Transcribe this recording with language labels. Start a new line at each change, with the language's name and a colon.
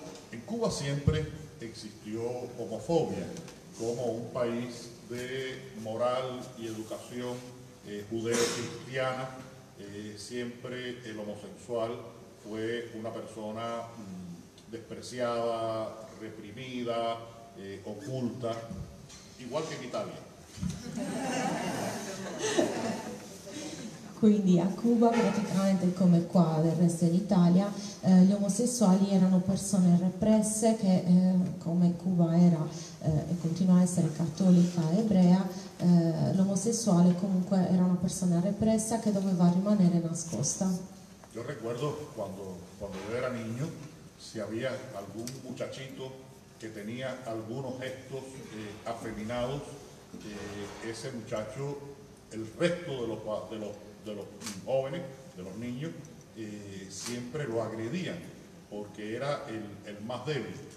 Spanish: En Cuba siempre existió homofobia como un país de moral y educación judeo-cristiana. Siempre el homosexual fue una persona despreciada, reprimida, oculta, igual que en Italia.
Italian: Quindi a Cuba, praticamente come qua del resto d'Italia, gli omosessuali erano persone represse che, come Cuba era e continua a essere cattolica e ebrea, l'omosessuale comunque era una persona repressa che doveva rimanere nascosta. Io ricordo quando io era
Spanish: niño, se había algún muchachito che tenía algunos gestos afeminados, ese muchacho, el resto de los jóvenes, de los niños, siempre lo agredían porque era el más débil.